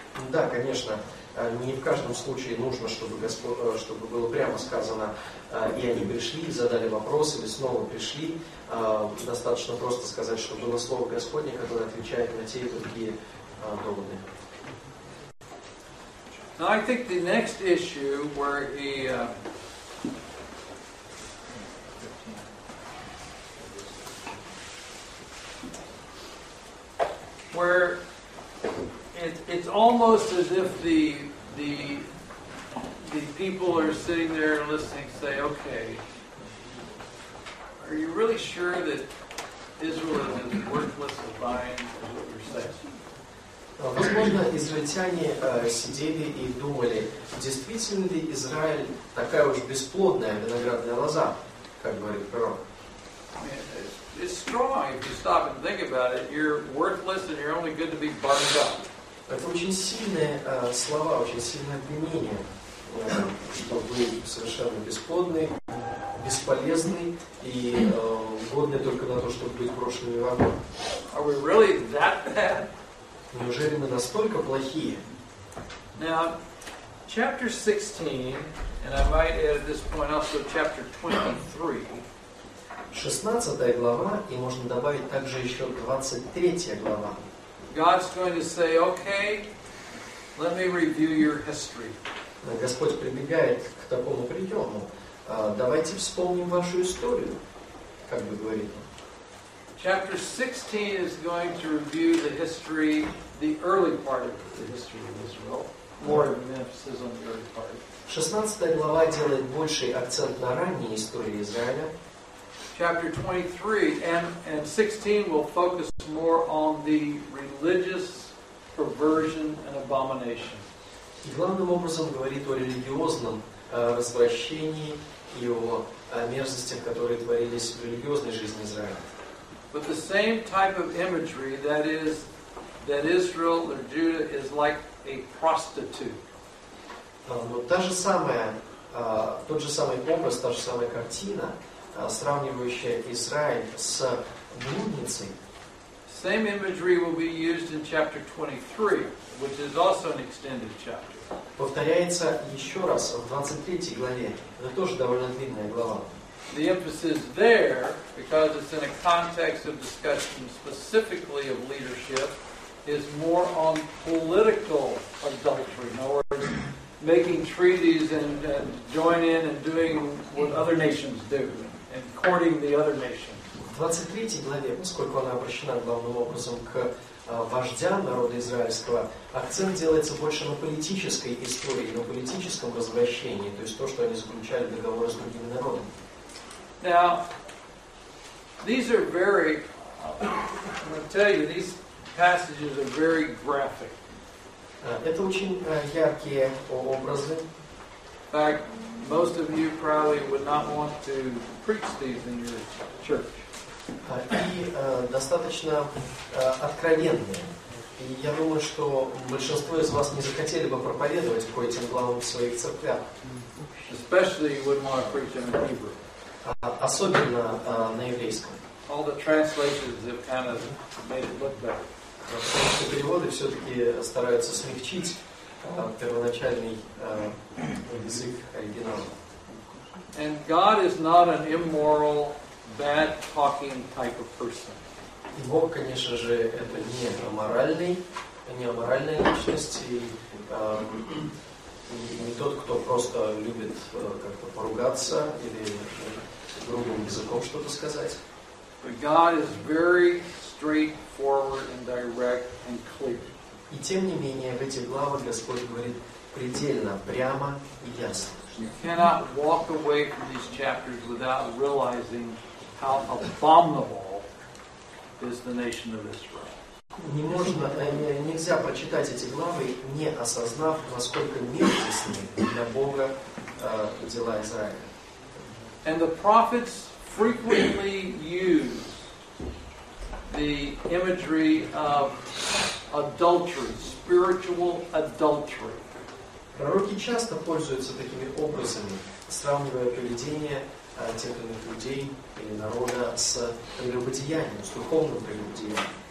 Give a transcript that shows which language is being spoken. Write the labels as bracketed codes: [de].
[ru] Да, конечно, не в каждом случае нужно, чтобы Господь, чтобы было прямо сказано, и они пришли, задали вопрос, или снова пришли. Достаточно просто сказать, что было слово Господне, которое отвечает на те и другие доводы. [en] Now I think the next issue where he where it's almost as if the people are sitting there listening, say, okay, are you really sure that Israel is as worthless a vine as what you're saying. [ru] Возможно, израильтяне сидели и думали, действительно ли Израиль такая уж бесплодная виноградная лоза, как говорит пророк. [en] It's strong, if you stop and think about it, you're worthless and you're only good to be burned up. [ru] Это очень сильные слова, очень сильное обвинение, что вы совершенно бесплодны, бесполезны и годны только на то, чтобы быть брошенными в огонь. [en] Are we really that bad? [ru] Неужели мы настолько плохие? [en] Now, chapter 16, and I might add at this point also chapter 23. [ru] 16 глава, и можно добавить также еще 23 глава. [en] God's going to say, okay, let me review your history. [ru] Господь прибегает к такому приему. Давайте вспомним вашу историю, как бы говорит он. [en] Chapter 16 is going to review the history, the early part of the history of Israel. More emphasis on the early part. [ru] 16 глава делает больший акцент на ранней истории Израиля. [en] Chapter 23 and 16 will focus more on the religious perversion and abomination. [ru] И главным образом говорит о религиозном развращении и о мерзостях, которые творились в религиозной жизни Израиля. [en] But the same type of imagery, that is, that Israel or Judah is like a prostitute. [ru] Но та же самая, тот же самый образ, та же самая картина, сравнивающая Израиль с блудницей. [en] Same imagery will be used in chapter 23, which is also an extended chapter. [ru] Повторяется еще раз в 23 главе. Это тоже довольно длинная глава. [en] The emphasis there, because it's in a context of discussion specifically of leadership, is more on political adultery. In other words, making treaties and join in and doing what other nations do, and courting the other nations. [ru] В 23 главе, поскольку она обращена главным образом к вождям народа израильского, акцент делается больше на политической истории, на политическом развращении, то есть то, что они заключали договоры с другими народами. [en] Now, these are very, I'm going to tell you, these passages are very graphic. [ru] Это очень яркие образы. [en] In fact, most of you probably would not want to preach these in your church. [ru] Достаточно откровенные. И я думаю, что большинство из вас не захотели бы проповедовать по этим главам в своих церквях. [en] Especially you wouldn't want to preach them in Hebrew. [ru] Особенно на еврейском. [en] All the translations have kind of made it look better. [ru] Переводы все-таки стараются смягчить первоначальный язык оригинала. [en] And God is not an immoral, bad-talking type of person. [ru] И Бог, конечно же, это не аморальный, не аморальная личность, и не тот, кто просто любит как-то поругаться или другим языком что-то сказать. [en] But God is very straightforward and direct and clear. [ru] И тем не менее, в этих главах Господь говорит предельно, прямо и ясно. [en] You cannot walk away from these chapters without realizing how abominable is the nation of Israel. [ru] Не можно, нельзя прочитать эти главы, не осознав, насколько мерзостны для Бога дела Израиля. [en] And the prophets frequently use the imagery of adultery, spiritual adultery. [ru] Пророки часто пользуются такими образами, сравнивая поведение тех или иных людей или народа с прелюбодеянием, с духовным прелюбодеянием.